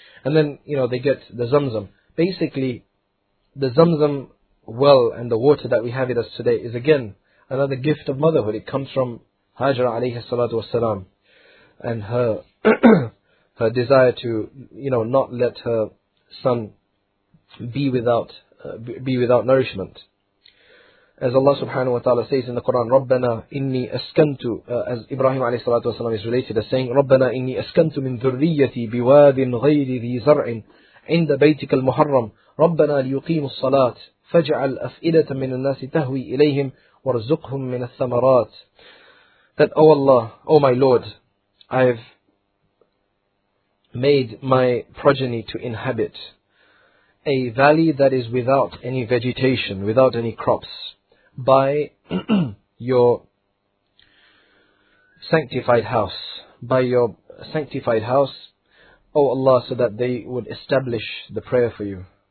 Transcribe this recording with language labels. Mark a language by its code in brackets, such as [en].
[en] And then, they get the Zamzam. Basically, the Zamzam well and the water that we have with us today is again another gift of motherhood. It comes from Hajra alayhi salatu wasalam and her her desire to, not let her son be without nourishment. As Allah subhanahu wa ta'ala says in the Quran, [ar] رَبَّنَا إِنِّي أَسْكَنْتُ, [en] as Ibrahim alayhi salatu wa sallam is related as saying, [ar] رَبَّنَا إِنِّي أَسْكَنْتُ مِنْ ذُرِّيَّتِي بِوَادٍ غَيْرِ ذِي زَرْعٍ عِنْدَ بَيْتِكَ الْمُحَرَّمِ رَبَّنَا لِيُقِيمُ الصَّلَاةِ فَاجْعَلْ أَفْئِدَةً مِنَ النَّاسِ تَهْوِي إِلَيْهِمْ وَرْزُقْهُمْ مِنَ الثَّمَرَاتِ. [en] That, O Allah, O my Lord, I have made my progeny to inhabit a valley that is without any vegetation, without any crops, by your sanctified house, by your sanctified house, O Allah, so that they would establish the prayer for you.